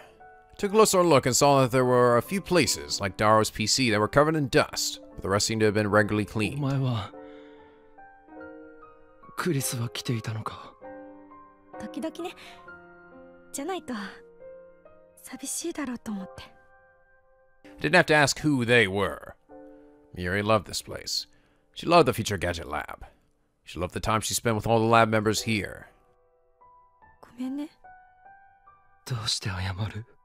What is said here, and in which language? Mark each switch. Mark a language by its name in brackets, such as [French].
[English] I took a closer look and saw that there were a few places, like Daro's PC, that were covered in dust, but the rest seemed to have been regularly cleaned. [Japanese] お前は、クリスは来ていたのか。時々ね。じゃないと、寂しいだろうと思って。 [English] I didn't have to ask who they were. Miyuri loved this place. She loved the future gadget lab. She loved the time she spent with all the lab members here. [Japanese] Gomenne. Doushite ayamaru?